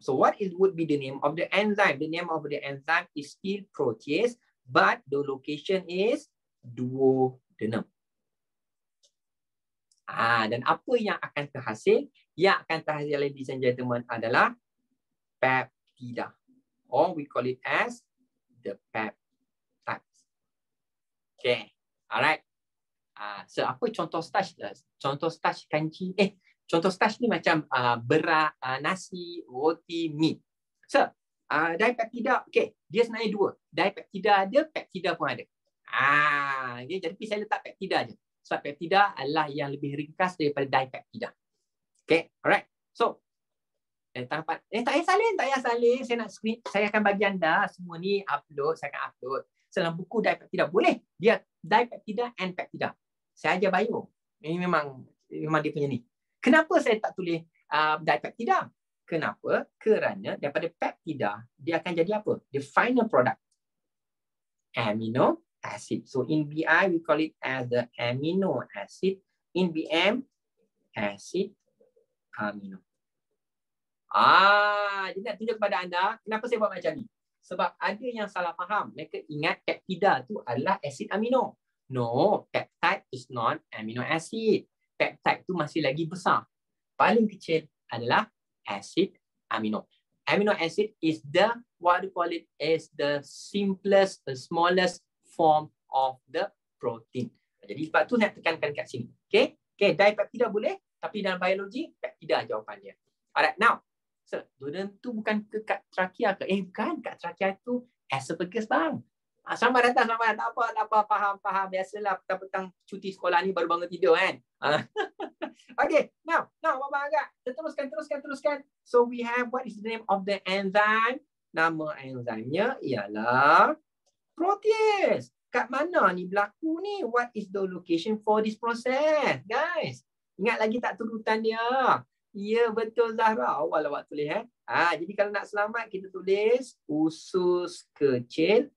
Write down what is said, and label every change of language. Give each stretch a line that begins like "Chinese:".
English: So what would be the name of the enzyme? The name of the enzyme is still protease, but the location is duodenum.
Malay: Dan apa yang akan terhasil? Yang akan terhasil,
English: ladies and gentlemen,
Malay: adalah peptida.
English: Or we call it as the peptides. Okay. Alright.
Malay: So apa contoh starch? Contoh starch kanji. Contoh starch ni macam beras, nasi, roti, meat. So, dipeptida, okay. Dia sebenarnya dua. Dipeptida ada, peptida pun ada. Okay. Jadi saya letak peptida je. Sebab peptida adalah yang lebih ringkas daripada dipeptida.
English: Okay, alright.
Malay: So, tak payah salin. Saya nak screen. Saya akan bagi anda semua ni upload. Saya akan upload. Selain buku dipeptida, boleh. Dia dipeptida and peptida. Saya ajar bio. Ini memang dia punya ni. Kenapa saya tak tulis dipeptida? Kenapa? Kerana daripada peptida, dia akan jadi apa?
English: The final product. Amino acid. So in BI, we call it as the amino acid. In BM,
Malay: acid amino. Jadi nak tunjuk kepada anda, kenapa saya buat macam ni? Sebab ada yang salah faham. Mereka ingat peptida tu adalah acid amino.
English: No, peptide is not amino acid. Peptide
Malay: tu masih lagi besar. Paling kecil adalah acid amino.
English: Amino acid is the, what do you call it, is the simplest, the smallest form of the protein.
Malay: Jadi sebab tu nak tekankan kat sini. Okay, dipeptida boleh, tapi dalam biologi, peptida jawapannya.
English: Alright, now.
Malay: So, duodenum tu bukan ke kat trakea ke? Bukan, kat trakea tu esophagus bang. Selamat datang. Tak apa. Faham. Biasalah petang-petang cuti sekolah ni baru bangun tidur kan.
English: Okay. Now.
Malay: Mama agak. Teruskan.
English: So we have, what is the name of the enzyme?
Malay: Nama enzymnya ialah protease. Kat mana ni berlaku ni?
English: What is the location for this process? Guys.
Malay: Ingat lagi tak turutan dia? Ya, betul Zahra. Awal tulis eh. Jadi kalau nak selamat, kita tulis usus kecil.